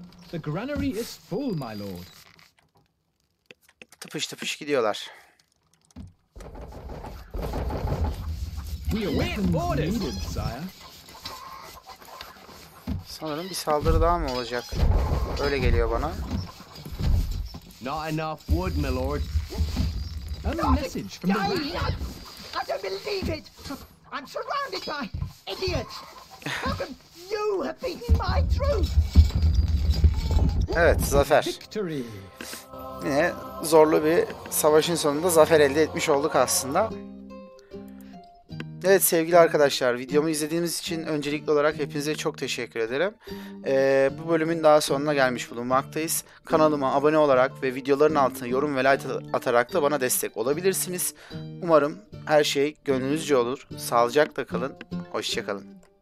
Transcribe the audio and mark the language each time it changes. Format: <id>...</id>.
<en>The granary is full, my lord.</en> <tr>Tıpış tıpış gidiyorlar.</tr> <en>We await orders.</en> <tr>Sanırım bir saldırı daha mı olacak? Öyle geliyor bana.</tr> <en>Not enough wood, my lord. A message from the I don't believe it. I'm surrounded by idiots. How can you have beaten my troops?</en> <tr>Evet, zafer. Yine zorlu bir savaşın sonunda zafer elde etmiş olduk aslında. Evet sevgili arkadaşlar, videomu izlediğiniz için öncelikli olarak hepinize çok teşekkür ederim. Bu bölümün daha sonuna gelmiş bulunmaktayız. Kanalıma abone olarak ve videoların altına yorum ve like atarak da bana destek olabilirsiniz. Umarım her şey gönlünüzce olur. Sağlıcakla kalın, hoşça kalın.</tr>